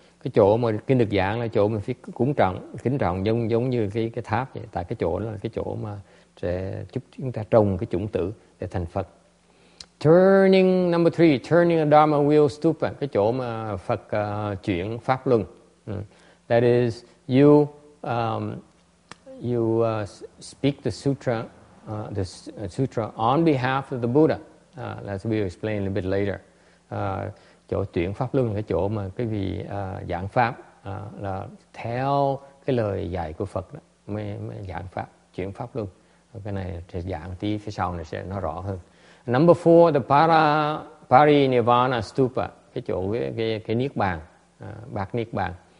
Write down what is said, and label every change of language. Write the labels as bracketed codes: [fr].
[vi] Cái chỗ mà kinh được giảng là chỗ mình phải cúng trọng, kính trọng giống như cái tháp vậy. Tại cái chỗ đó là cái chỗ mà sẽ giúp chúng ta trồng cái chủng tử để thành Phật. [en] Turning number three, turning a Dharma wheel stupa, [vi] cái chỗ mà Phật chuyển pháp luân. [en] That is, you speak the sutra on behalf of the Buddha. That we'll explain a little bit later. [vi] Chỗ chuyển pháp luân là cái chỗ mà cái vị giảng pháp là theo cái lời dạy của Phật đó, mới giảng pháp, chuyển pháp luân. Cái này sẽ giảng tí phía sau này sẽ nó rõ hơn. [en] Number four, the Parinirvana stupa, [vi] cái chỗ cái niết bàn, bạc niết bàn.